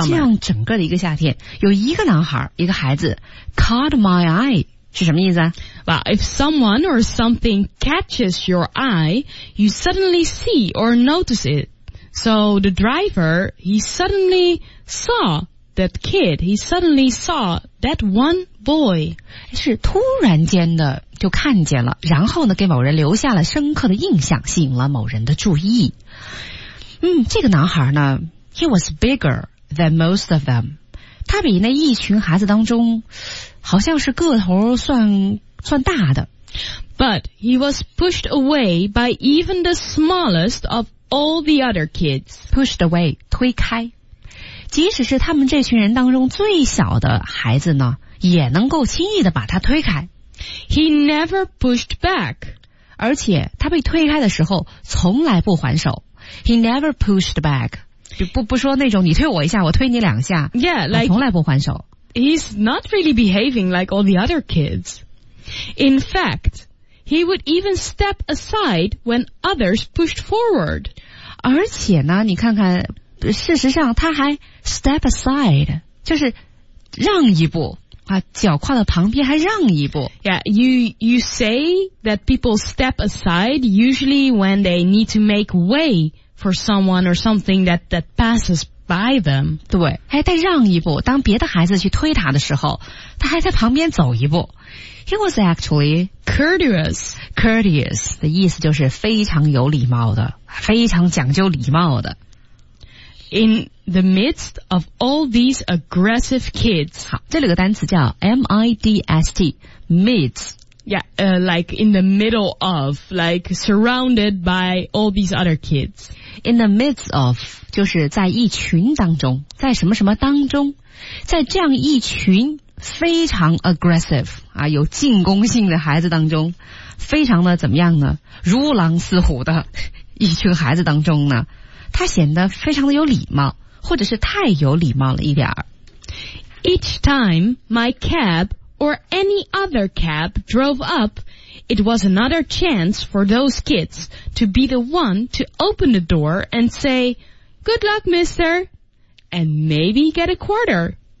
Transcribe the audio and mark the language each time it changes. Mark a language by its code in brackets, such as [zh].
[zh] 就这样整个的一个夏天，有一个男孩，一个孩子 [en] caught my eye。 [zh] 是什么意思啊？ [en] Well, if someone or something catches your eye, you suddenly see or notice it. So the driver, he suddenly saw that kid. He suddenly saw that one boy. [zh] 是突然间的就看见了，然后呢给某人留下了深刻的印象，吸引了某人的注意。这个男孩呢， [en] he was bigger than most of them. [zh] 他比那一群孩子当中好像是个头算大的。 [en] But he was pushed away by even the smallest of all the other kids. Pushed away, [zh] 推开。即使是他们这群人当中最小的孩子呢，也能够轻易的把他推开。 [en] He never pushed back. [zh] 而且他被推开的时候从来不还手。 [en] He never pushed back. [zh] 不说那种你推我一下我推你两下。 [en] Yeah, like, [zh] 从来不还手。 [en] He's not really behaving like all the other kids. In fact, he would even step aside when others pushed forward. [zh] 而且呢，你看看，事实上他还 [en] step aside， [zh] 就是让一步啊，脚跨到旁边还让一步。 [en] Yeah, you say that people step aside usually when they need to make way for someone or something that passes by. By them. [zh] 对，还得让一步，当别的孩子去推他的时候，他还在旁边走一步。 [en] He was actually courteous. [zh] Courteous 的意思就是非常有礼貌的，非常讲究礼貌的。 [en] In the midst of all these aggressive kids. [zh] 好，这里有个单词叫 M-I-D-S-T, midst. [en] Yeah, like in the middle of, like surrounded by all these other kids. In the midst of, [zh] 就是在一群当中，在什么什么当中，在这样一群非常 aggressive, 啊，有进攻性的孩子当中，非常的怎么样呢？如狼似虎的一群孩子当中呢，他显得非常的有礼貌，或者是太有礼貌了一点儿。 [en] Each time my cab,or any other cab drove up, it was another chance for those kids to be the one to open the door and say, good luck, mister, and maybe get a quarter.